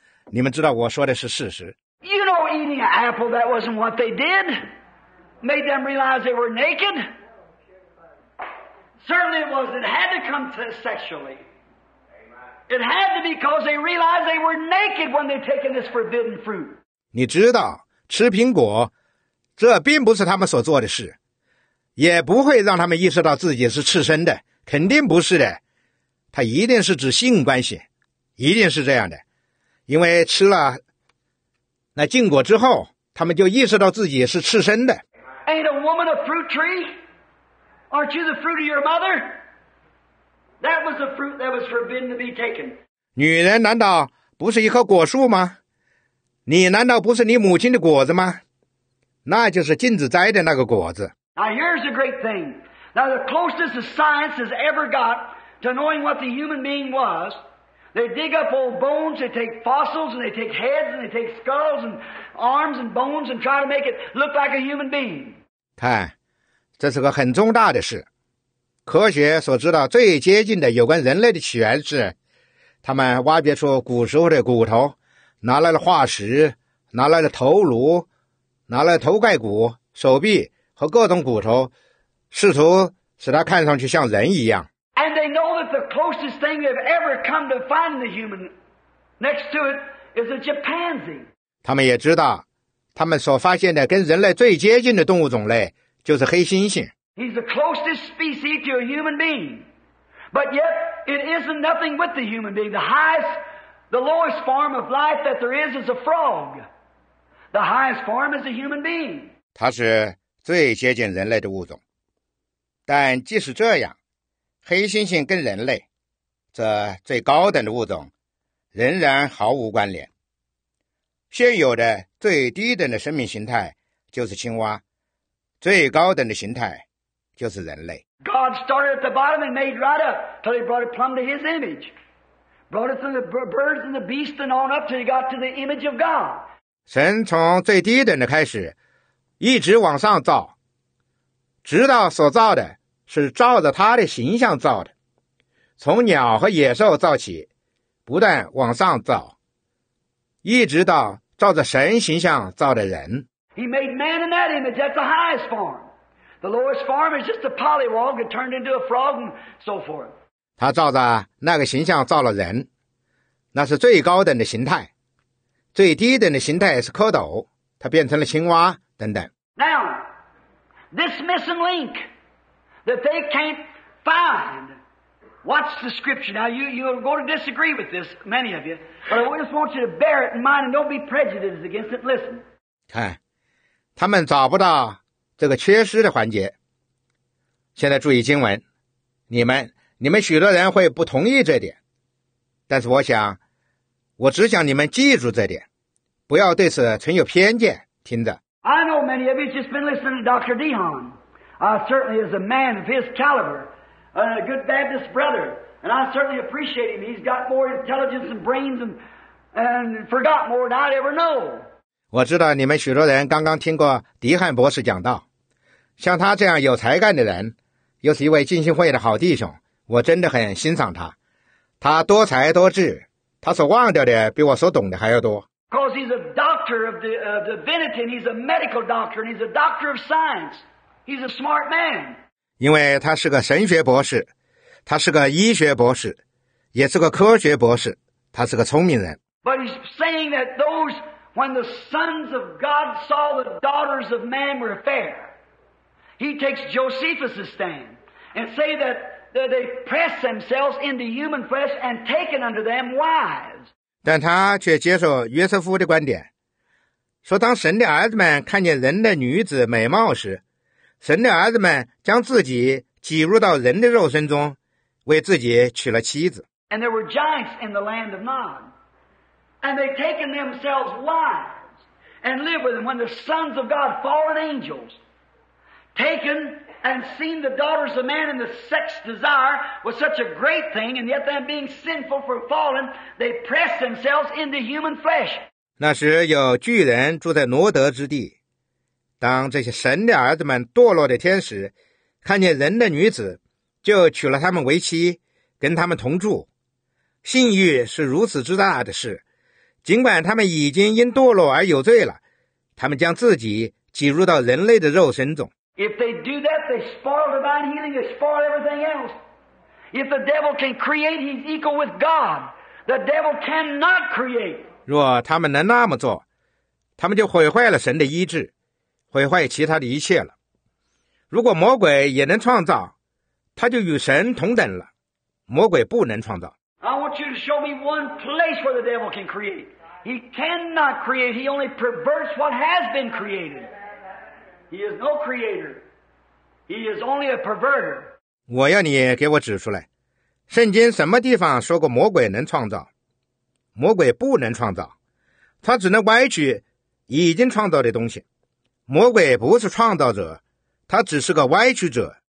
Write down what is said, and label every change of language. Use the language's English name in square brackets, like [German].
[Chinese] 你们知道我说的是事实。 [English] You know, eating an apple, that wasn't what they did. Made them realize they were naked. Certainly it was. It had to come to sexually. It had to be because they realized they were naked when they'd taken this forbidden fruit. [Chinese] 你知道，吃苹果，这并不是他们所做的事，也不会让他们意识到自己是赤身的，肯定不是的。他一定是指性关系，一定是这样的，因为吃了那禁果之后，他们就意识到自己是赤身的。 [English] Ain't a woman a fruit tree? Aren't you the fruit of your mother? That was the fruit that was forbidden to be taken. [Chinese] 女人难道不是一棵果树吗？你难道不是你母亲的果子吗？那就是禁止摘的那个果子。 [English] Now here's the great thing. Now the closest the science has ever got to knowing what the human being was, they dig up old bones, they take fossils, and they take heads, and they take skulls, and arms, and bones, and try to make it look like a human being. [Chinese] 看，这是个很重大的事。科学所知道最接近的有关人类的起源是，他们挖掘出古时候的骨头，拿来了化石，拿来了头颅，拿来了头盖骨、手臂和各种骨头，试图使它看上去像人一样。 [English] And they know that the closest thing they've ever come to find the human next to it is a chimpanzee. [Chinese] 他们也知道，他们所发现的跟人类最接近的动物种类就是黑猩猩。 [English] He's the closest species to a human being. But yet, it isn't nothing with the human being. The highest, the lowest form of life that there is a frog. The highest form is a human being. [Chinese] 它是最接近人类的物种。但即使这样，黑猩猩跟人类，这最高等的物种，仍然毫无关联。现有的最低等的生命形态就是青蛙，最高等的形态就是人类。 [English] God started at the bottom and made right up till he brought it plumb to his image. Brought it from the birds and the beasts and on up till he got to the image of God. [Chinese] 神从最低等的开始一直往上造，直到所造的是照着他的形象造的，从鸟和野兽造起，不断往上造，一直到照着神形象造的人。 [English] He made man in that image. That's the highest form. The lowest form is just a polywog that turned into a frog and so forth. [Chinese] 他照着那个形象造了人，那是最高等的形态，最低等的形态是蝌蚪，它变成了青蛙等等。 [English] Now this missing link that they can't find, what's the scripture? Now you're going to disagree with this, many of you, but I just want you to bear it in mind and don't be prejudiced against it. Listen. [Chinese] 看，他们找不到这个缺失的环节。现在注意经文，你们许多人会不同意这点，但是我只想你们记住这点，不要对此存有偏见。听着。 [English] I know many of you just been listening to Dr. Dehan. I certainly is a man of his caliber, a good Baptist brother, and I certainly appreciate him. He's got more intelligence and brains and forgot more than I'd ever know. [Chinese] 我知道你们许多人刚刚听过迪汉博士讲道，像他这样有才干的人，又是一位浸信会的好弟兄，我真的很欣赏他。他多才多智，他所忘掉的比我所懂的还要多。 [English] Because he's a doctor of the divinity, and he's a medical doctor, and he's a doctor of science. He's a smart man. [Chinese] 因为他是个神学博士，他是个医学博士，也是个科学博士，他是个聪明人。 [English] But he's saying that those when the sons of God saw the daughters of man were fair, he takes Josephus's stand and say that. They press themselves into human flesh and taken unto them wives. [Chinese] 但他却接受约瑟夫的观点，说当神的儿子们看见人的女子美貌时，神的儿子们将自己挤入到人的肉身中，为自己娶了妻子。 [English] And there were giants in the land of Nod, and they taken themselves wives and lived with them. When the sons of God, fallen angels, taken. And seen the daughters of man and the sex desire was such a great thing, and yet them being sinful for fallen, they pressed themselves into human flesh. [Chinese] 那时有巨人住在挪德之地，当这些神的儿子们堕落的天使看见人的女子，就娶了他们为妻，跟他们同住。性欲是如此之大的事，尽管他们已经因堕落而有罪了，他们将自己挤入到人类的肉身中。 [English] If they do that, they spoil divine healing, they spoil everything else. If the devil can create, he's equal with God. The devil cannot create. [Chinese] 若他们能那么做，他们就毁坏了神的医治，毁坏其他的一切了。如果魔鬼也能创造，他就与神同等了。魔鬼不能创造。 [English] I want you to show me one place where the devil can create. He cannot create, he only perverts what has been created. He is no creator. He is only a perverter. [Chinese] 我要你给我指出来，圣经什么地方说过魔鬼能创造？魔鬼不能创造，他只能歪曲已经创造的东西。魔鬼不是创造者，他只是个歪曲者。